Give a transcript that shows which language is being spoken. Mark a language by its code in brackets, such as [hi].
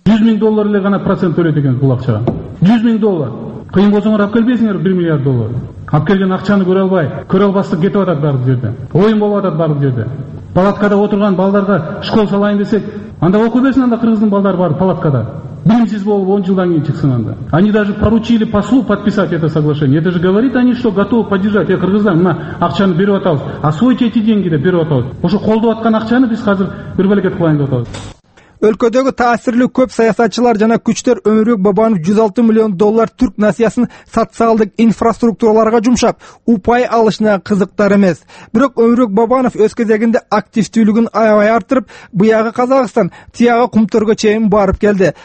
[ky] 100 000 доллар эле гана процент төлөйт экен бул акчага. 100 000 доллар. Кыйын болсоңор алып келбейсиңер 1 000 000 000 доллар. Алып келген акчаны көрө албай, көрө албастык кетип атат баардык жерде. Оюн болуп атат баардык жерде. Палаткада отурган балдарга школ салайын десек, анда окуй берсин, анда кыргыздын балдары бар палаткада. Билимсиз болуп 10 жылдан кийин чыксын анда. [ru] Они даже поручили послу подписать это соглашение. Это же говорит они, что готовы поддержать. [ky] Я кыргыздан мына акчаны берип атабыз. [ru] Освойте эти деньги [ky] деп берип атабыз. Ошо колдоп аткан акчаны биз азыр бир балекет кылайын деп атабыз. Өлкөдөгү таасирлүү көп саясатчылар жана күчтөр Өмүрбек Бабанов 106 миллион доллар түрк насыясын социалдык инфраструктураларга жумшап, упай алышына кызыктар эмес. Бирок Өмүрбек Бабанов өз кезегинде активдүүлүгүн аябай артырып, быягы Казакстан, тиягы Кумторго чейин барып келди.